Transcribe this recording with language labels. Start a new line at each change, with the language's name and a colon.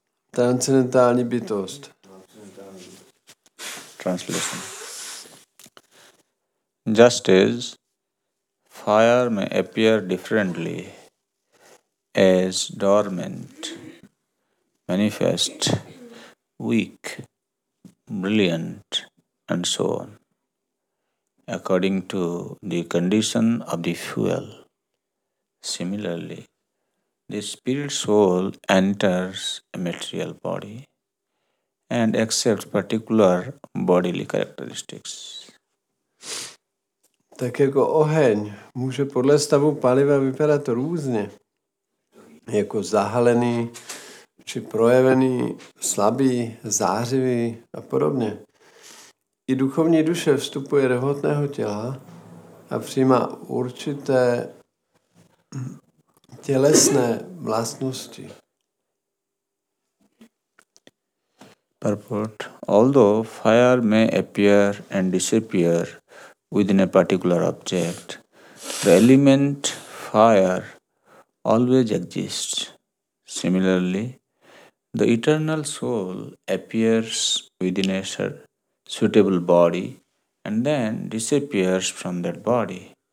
Czech: Transcendentální bytost.
English: Translation. Just as fire may appear differently as dormant, manifest, weak, brilliant, and so on, according to the condition of the fuel. Similarly, the spirit soul enters a material body and accepts particular bodily characteristics.
Czech: Tak jako oheň může podle stavu paliva vypadat různě, jako zahalený či projevený, slabý, zářivý a podobně. I duchovní duše vstupuje do hmotného těla a přijímá určité tělesné vlastnosti.
English: Purport. Although fire may appear and disappear within a particular object, The element fire always exists. Similarly, the eternal soul appears within a suitable body and then disappears from that body.